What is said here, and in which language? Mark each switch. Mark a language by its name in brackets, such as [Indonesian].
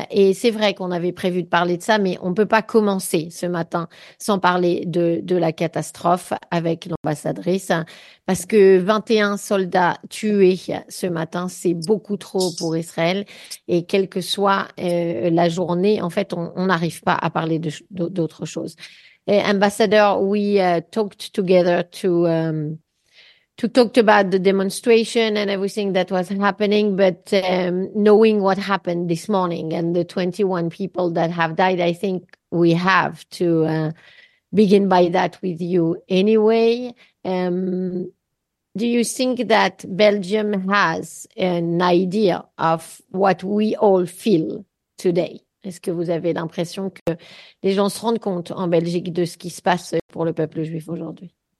[French] Et c'est vrai qu'on avait prévu de parler de ça, mais on ne peut pas commencer ce matin sans parler de la catastrophe avec l'ambassadrice. Parce que 21 soldats tués ce matin, c'est beaucoup trop pour Israël. Et quelle que soit la journée, en fait, on n'arrive pas à parler d'autre chose. Et ambassadeur, [English] we talked together to talk about the demonstration and everything that was happening, but knowing what happened this morning and the 21 people that have died, I think we have to begin by that with you anyway. Do you think that Belgium has an idea of what we all feel today? [French] Est-ce que vous avez l'impression que les gens se rendent compte en Belgique de ce qui se passe pour le peuple juif aujourd'hui?